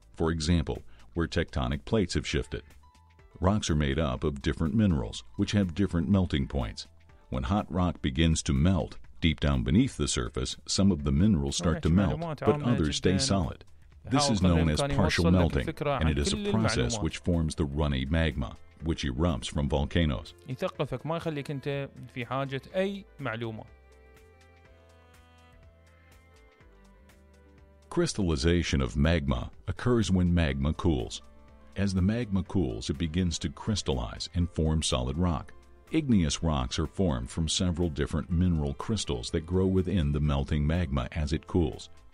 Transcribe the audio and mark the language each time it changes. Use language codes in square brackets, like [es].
[en] For example, where tectonic plates have shifted. Rocks are made up of different minerals, which have different melting points. When hot rock begins to melt, deep down beneath the surface, some of the minerals start to melt, but others stay solid. This is known as partial melting, and it is a process which forms the runny magma, which erupts from volcanoes. [ar] يثقفك ما يخليك انت في حاجة اي معلومة. [en] Crystallization of magma occurs when magma cools. As the magma cools, it begins to crystallize and form solid rock. Igneous rocks are formed from several different mineral crystals that grow within the melting magma as it cools.